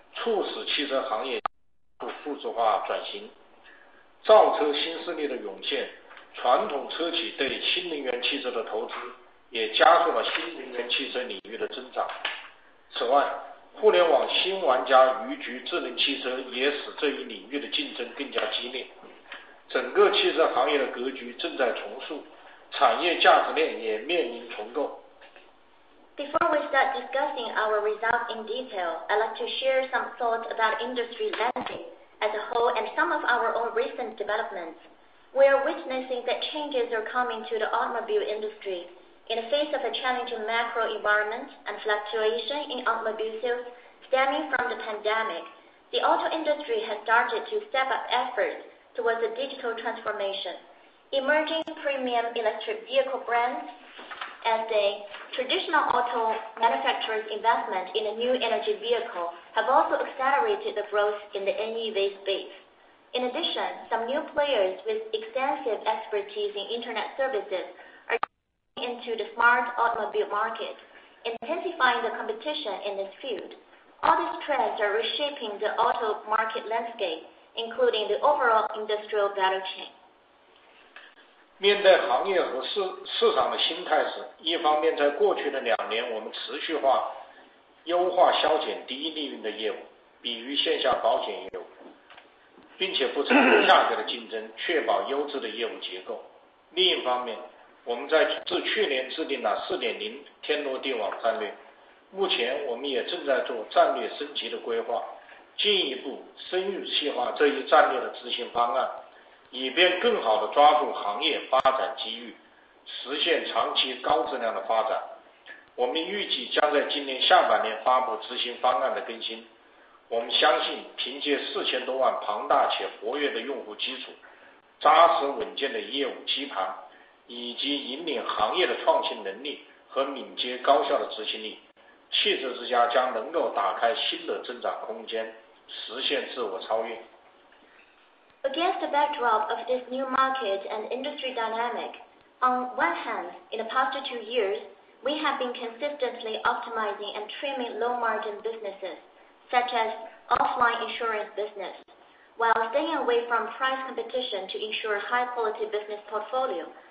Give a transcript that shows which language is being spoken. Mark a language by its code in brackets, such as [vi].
[zh] 在开始讨论具体业绩之前，我也跟大家分享一下子我们对行业格局和自身发展的一些思考。我们看到汽车行业正在经历一些变化，宏观环境的挑战、疫情催化下汽车销量的波动，促使汽车行业数字化转型。造车新势力的涌现，传统车企对新能源汽车的投资也加速了新能源汽车领域的增长。此外，互联网新玩家鱼局智能汽车也使这一领域的竞争更加激烈。整个汽车行业的格局正在重塑，产业价值链也面临重构。 [en] Before we start discussing our results in detail, I'd like to share some thoughts about industry landscape as a whole and some of our own recent developments. We are witnessing that changes are coming to the automobile industry. In the face of a challenging macro environment and fluctuation in automobile sales stemming from the pandemic, the auto industry has started to step up efforts towards a digital transformation. Emerging premium electric vehicle brands as the traditional auto manufacturers' investment in a new energy vehicle have also accelerated the growth in the NEV space. In addition, some new players with extensive expertise in internet services are coming into the smart automobile market, intensifying the competition in this field. All these trends are reshaping the auto market landscape, including the overall industrial value chain. [zh] 面对行业和市场的新态势，一方面在过去的两年，我们持续化优化削减低利润的业务，比如线下保险业务，并且不承认价格的竞争，确保优质的业务结构。另一方面，我们在自去年制定了 4.0 天罗地网战略，目前我们也正在做战略升级的规划，进一步深入细化这一战略的执行方案，以便更好地抓住行业发展机遇，实现长期高质量的发展。我们预计将在今年下半年发布执行方案的更新。我们相信凭借4000多万庞大且活跃的用户基础，扎实稳健的业务基盘，以及引领行业的创新能力和敏捷高效的执行力，汽车之家将能够打开新的增长空间，实现自我超越。 [en] Against the backdrop of this new market and industry dynamic, on one hand, in the past 2 years, we have been consistently optimizing and trimming low-margin businesses, such as offline insurance business, while staying away from price competition to ensure high-quality business portfolio.